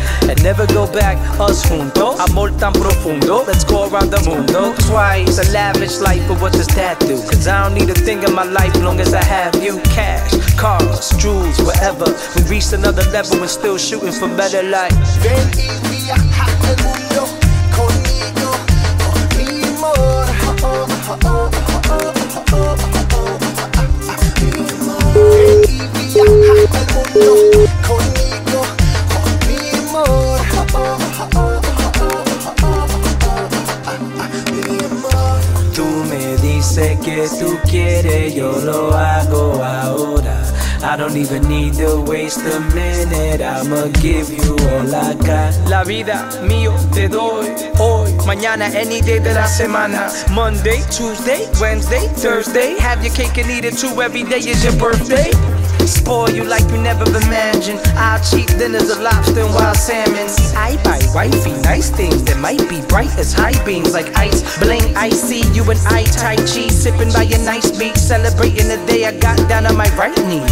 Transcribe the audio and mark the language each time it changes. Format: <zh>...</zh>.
<en>And never go back, us juntos.</en> <es>Amor tan profundo,</es> <en>let's go around the mundo. Twice, a lavish life, but what does that do? Cause I don't need a thing in my life long as I have you. Cash, cars, jewels, whatever. We reach another level and still shooting for better life.</en> <es>Ven y viaja el mundo conmigo, con mi amor. Tú me dices que tú quieres, yo lo hago ahora.</es> <en>I don't even need to waste a minute, I'ma give you all I got.</en> <es>La vida mío te doy, hoy, mañana,</es> <en>any day</en> <es>de la semana.</es> <en>Monday, Tuesday, Wednesday, Thursday. Have your cake and eat it too, every day is your birthday. Spoil you like you never imagined. I'll cheat dinners of lobster and wild salmon. I buy wifey nice things that might be bright as high beams like ice. Bling, I see you and I Tai Chi. Sipping by a nice beach, celebrating the day I got down on my right knee.</en>